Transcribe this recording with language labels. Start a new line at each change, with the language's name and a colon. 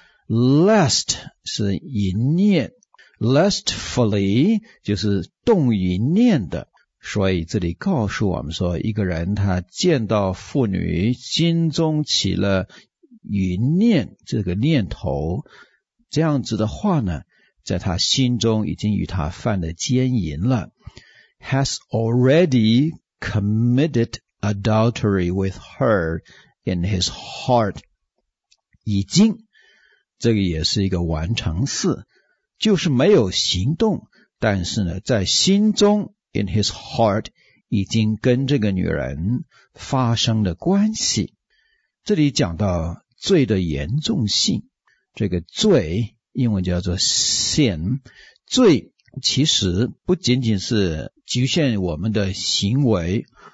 Chinese: lust 是淫念， lustfully 就是动淫念的，所以这里告诉我们说，一个人他见到妇女心中起了淫念这个念头，这样子的话呢，在他心中已经与他犯了奸淫了。
English: Has already committed adultery with her in his heart.
Chinese: 已经，这个也是一个完成式，就是没有行动，但是呢，在心中
English: In his heart,
Chinese: 已经跟这个女人发生了关系。这里讲到罪的严重性，这个罪英文叫做 sin, 罪其实不仅仅是局限我们的行为，